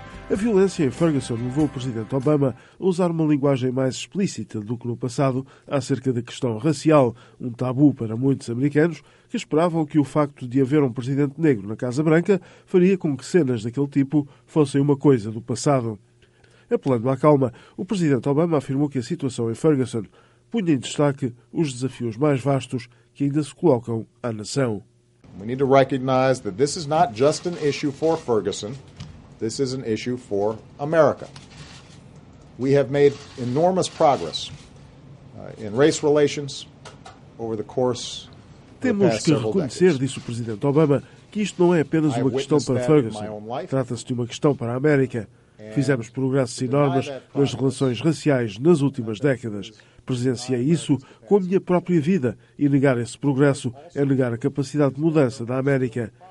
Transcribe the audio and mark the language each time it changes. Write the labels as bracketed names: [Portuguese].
[Portuguese] A violência em Ferguson levou o presidente Obama a usar uma linguagem mais explícita do que no passado acerca da questão racial, um tabu para muitos americanos que esperavam que o facto de haver um presidente negro na Casa Branca faria com que cenas daquele tipo fossem uma coisa do passado. Apelando à calma, o presidente Obama afirmou que a situação em Ferguson punha em destaque os desafios mais vastos que ainda se colocam à nação. [English] We need to recognize that this is not just an issue for Ferguson. This is an issue for America. We have made enormous progress in race relations over the course of the past several decades. [Portuguese] Temos que reconhecer, disse o presidente Obama, que isto não é apenas uma questão para Ferguson. Trata-se de uma questão para a América. Fizemos progressos enormes nas relações raciais nas últimas décadas. Presenciei isso com a minha própria vida e negar esse progresso é negar a capacidade de mudança da América.